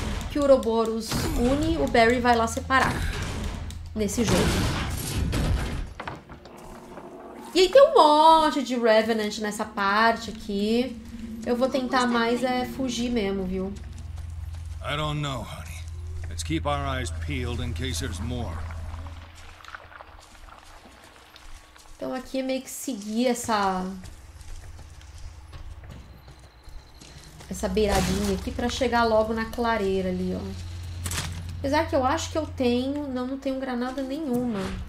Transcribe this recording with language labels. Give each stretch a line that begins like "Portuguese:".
Portuguese: Que o Ouroboros une, o Barry vai lá separar. Nesse jogo. E aí tem um monte de Revenant nessa parte aqui. Eu vou tentar mais é fugir mesmo, viu?
English: I don't know, honey. Let's keep our eyes peeled in case there's more.
Portuguese: Então aqui é meio que seguir essa beiradinha aqui pra chegar logo na clareira ali, ó. Apesar que eu acho que eu tenho... Não tenho granada nenhuma.